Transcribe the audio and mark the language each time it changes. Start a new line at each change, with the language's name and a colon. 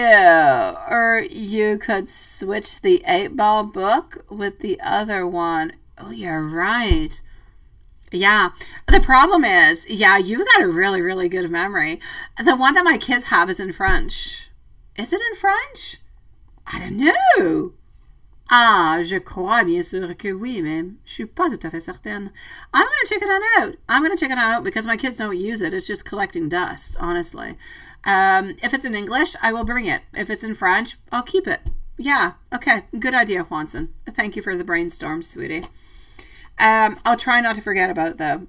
English: Or you could switch the eight ball book with the other one. Oh, you're right. Yeah, the problem is, yeah, you've got a really, really good memory. The one that my kids have is in French. Is it in French? I don't know.
French: Ah, je crois bien sûr que oui, mais je suis pas tout à fait certaine.
English: I'm gonna check it on out. I'm gonna check it out because my kids don't use it. It's just collecting dust, honestly. If it's in English, I will bring it. If it's in French, I'll keep it. Yeah, okay. Good idea, Juanson. Thank you for the brainstorm, sweetie. I'll try not to forget about though.